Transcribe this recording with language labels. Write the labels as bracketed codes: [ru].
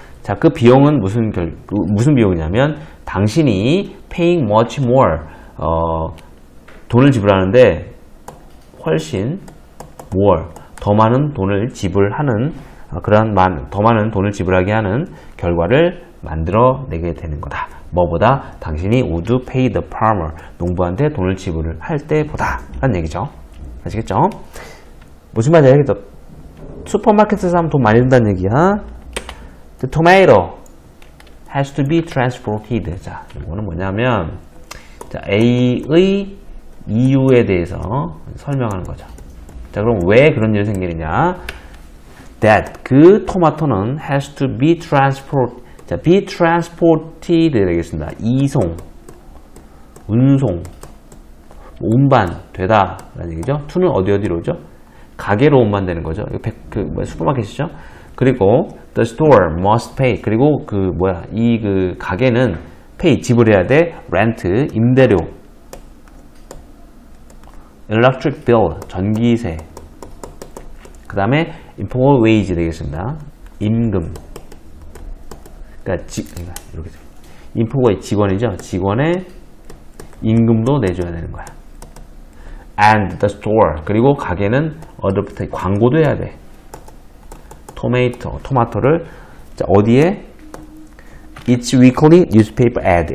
[ko] 자, 그 비용은 무슨 비용이냐면, 당신이 [en] paying much more, [ko] 돈을 지불하는데, 훨씬 more, 더 많은 돈을 지불하는, 더 많은 돈을 지불하게 하는 결과를 만들어내게 되는 거다. 뭐보다 당신이 [en] would pay the farmer [ko] 농부한테 돈을 지불을 할 때보다 라는 얘기죠. 아시겠죠? 무슨 말인지 알겠죠? 슈퍼마켓에서 하면 돈 많이 든다는 얘기야. [en] The tomato has to be transported. [ko] 자, 이거는 뭐냐면 자, A의 이유에 대해서 설명하는 거죠. 자, 그럼 왜 그런 일이 생기느냐? [en] That [ko] 그 토마토는 [en] has to be transported. [ko] 자, [en] be transported [ko] 되겠습니다. 이송, 운송, 운반 되다 라는 얘기죠. to는 어디로죠? 가게로 운반되는 거죠. 슈퍼마켓이죠. 그리고 [en] the store must pay. [ko] 그리고 그 가게는 pay 지불해야 돼. rent 임대료, electric bill 전기세, 그 다음에 employee wage 되겠습니다. 임금. 그러니까 이렇게 인포가 직원이죠. 직원의 임금도 내줘야 되는 거야. [en] And the store [ko] 그리고 가게는 어드버타이 광고도 해야 돼. 토마토를 자, 어디에 [en] It's weekly newspaper ad.